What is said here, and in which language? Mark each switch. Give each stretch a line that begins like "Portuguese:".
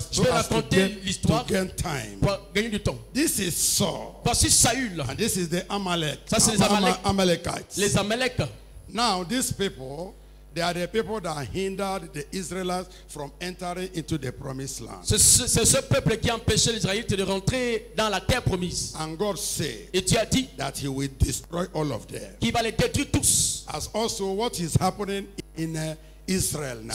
English: So
French: je vais raconter l'histoire.
English: To gain time.
French: Pour gagner du temps.
English: This is Saul.
French: Voici Saül.
English: And this is the Amalek.
French: Ça c'est les
English: Amalekites.
French: Les Amalek.
English: Now these people, they are the people that hindered the Israelites from entering into the promised land.
French: C'est ce peuple qui empêchait les Israélites de rentrer dans la terre promise.
English: And God said.
French: Et Dieu a dit.
English: That He will destroy all of them.
French: Qu'il va les détruire tous.
English: As also what is happening in Israel now.